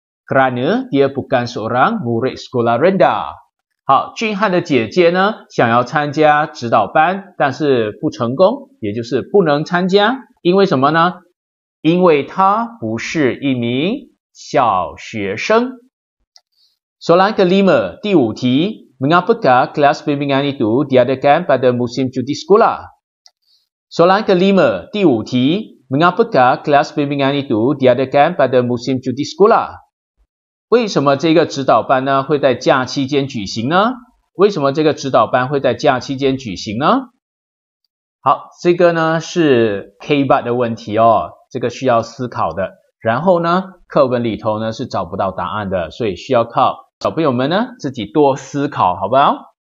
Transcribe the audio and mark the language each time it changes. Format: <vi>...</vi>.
<ms>Kerana dia bukan seorang murid sekolah rendah.</ms> <zh>好，俊汉的姐姐呢，想要参加指导班，但是不成功，也就是不能参加。因为什么呢？因为她不是一名小学生。</zh> <ms>Soalan kelima,</ms> <zh>第五题。</zh> <ms>Mengapakah kelas bimbingan itu diadakan pada musim cuti sekolah? Soalan kelima,</ms> <zh>第五题。</zh> <ms>Mengapakah kelas bimbingan itu diadakan pada musim cuti sekolah?</ms> <zh>为什么这个指导班呢会在假期间举行呢？为什么这个指导班会在假期间举行呢？好，这个呢是 KBUT 的问题哦，这个需要思考的。然后呢，课文里头呢是找不到答案的，所以需要靠小朋友们呢自己多思考，好不好？</zh>